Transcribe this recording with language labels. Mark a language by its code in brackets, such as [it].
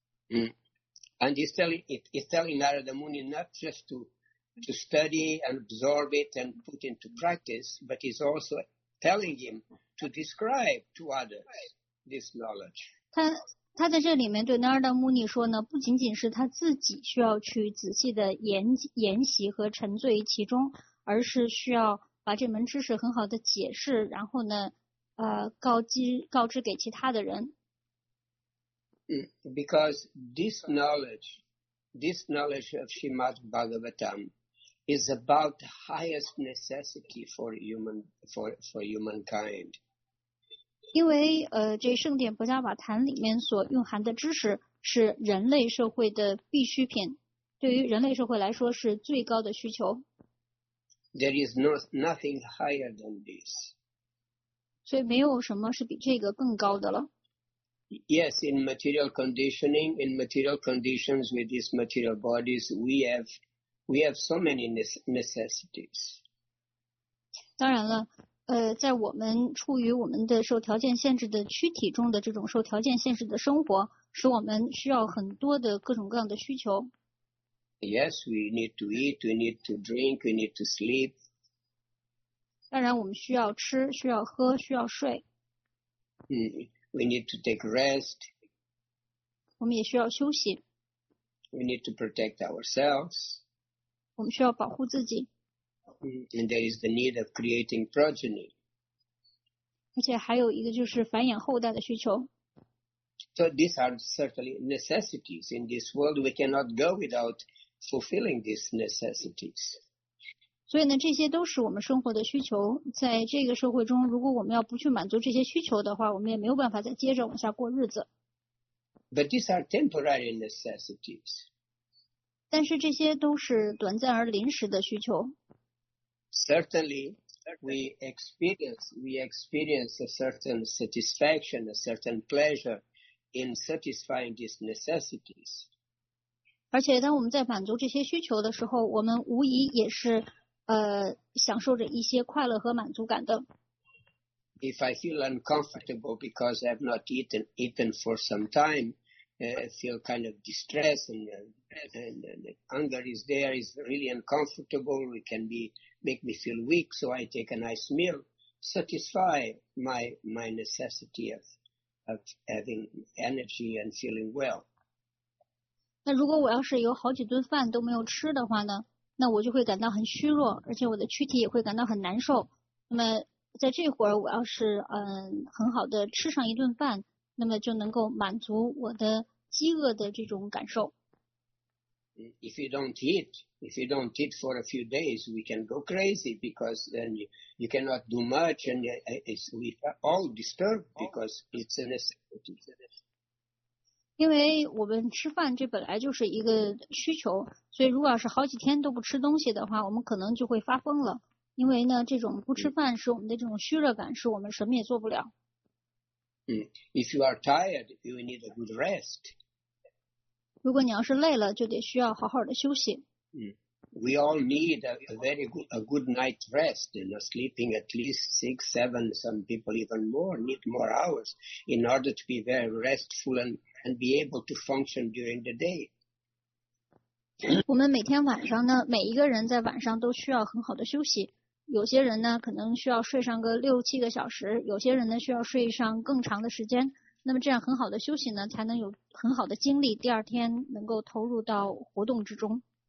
[en] And he's telling Narada Muni not just to study and absorb it and put into practice, but he's also telling him to describe to others this knowledge. [zh] 他在这里面对 Narada Muni 说呢，不仅仅是他自己需要去仔细的研习和沉醉其中，而是需要把这门知识很好的解释，然后呢，告知给其他的人。 [en] Because this knowledge of Srimad Bhagavatam is about the highest necessity for humankind. [zh] 因为这圣典博迦瓦坛里面所蕴含的知识是人类社会的必需品，对于人类社会来说是最高的需求。 [en] There is nothing higher than this. [zh] 所以没有什么是比这个更高的了。 [en] Yes, in material conditions with these material bodies, we have so many necessities. [zh] 当然了，在我们处于我们的受条件限制的躯体中的这种受条件限制的生活，使我们需要很多的各种各样的需求。 [en] Yes, we need to eat, we need to drink, we need to sleep. [zh] 当然，我们需要吃，需要喝，需要睡。 [en] We need to take rest. [zh] 我们也需要休息。 [en] We need to protect ourselves. [zh] 我们需要保护自己。 [en] And there is the need of creating progeny. [zh] 而且还有一个就是繁衍后代的需求。 [en] So these are certainly necessities in this world. We cannot go without fulfilling these necessities. [zh] 所以呢，这些都是我们生活的需求。在这个社会中，如果我们要不去满足这些需求的话，我们也没有办法再接着往下过日子。 [en] But these are temporary necessities. [zh] 但是这些都是短暂而临时的需求。 [en] Certainly, we experience a certain satisfaction, a certain pleasure in satisfying these necessities. [zh] 而且当我们在满足这些需求的时候，我们无疑也是享受着一些快乐和满足感的。 [en] If I feel uncomfortable because I have not eaten for some time, feel kind of distress and hunger is there, is really uncomfortable, it can be make me feel weak, so I take a nice meal, satisfy my necessity of having energy and feeling well. [zh] 那如果我要是有好几顿饭都没有吃的话呢？那我就会感到很虚弱，而且我的躯体也会感到很难受。那么在这会儿我要是很好的吃上一顿饭，那么就能够满足我的饥饿的这种感受。 [en] If you don't eat for a few days, we can go crazy because then you cannot do much and we are all disturbed because it's a necessity. [zh] 因为我们吃饭这本来就是一个需求，所以如果要是好几天都不吃东西的话，我们可能就会发疯了。因为呢，这种不吃饭使我们的这种虚热感使我们什么也做不了。 [en] If you are tired, you need a good rest. [zh] 如果你要是累了，就得需要好好的休息。 [en] We all need a very good night rest, you know, sleeping at least 6-7, some people even more, need more hours in order to be very restful and be able to function during the day. [zh] 我们每天晚上呢，每一个人在晚上都需要很好的休息。有些人呢，可能需要睡上个6-7个小时，有些人呢，需要睡上更长的时间。那么这样很好的休息呢，才能有很好的精力，第二天能够投入到活动之中。